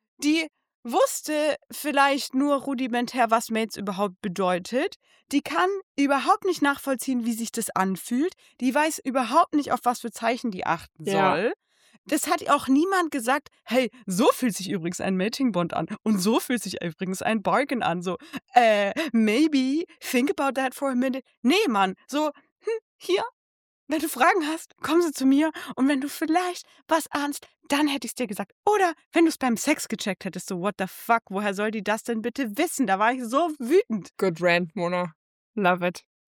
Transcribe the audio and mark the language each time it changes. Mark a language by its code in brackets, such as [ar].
[de] Die wusste vielleicht nur rudimentär, was Mates überhaupt bedeutet. Die kann überhaupt nicht nachvollziehen, wie sich das anfühlt. Die weiß überhaupt nicht, auf was für Zeichen die achten soll. Ja. Das hat auch niemand gesagt, hey, so fühlt sich übrigens ein Mating-Bond an und so fühlt sich übrigens ein Bargain an. [en] So, maybe, think about that for a minute. [de] Nee, Mann, so, hier, wenn du Fragen hast, kommen sie zu mir und wenn du vielleicht was ahnst, dann hätte ich es dir gesagt. Oder wenn du es beim Sex gecheckt hättest, so, [en] what the fuck, [de] woher soll die das denn bitte wissen? Da war ich so wütend. [en] Good rant, Mona. Love it.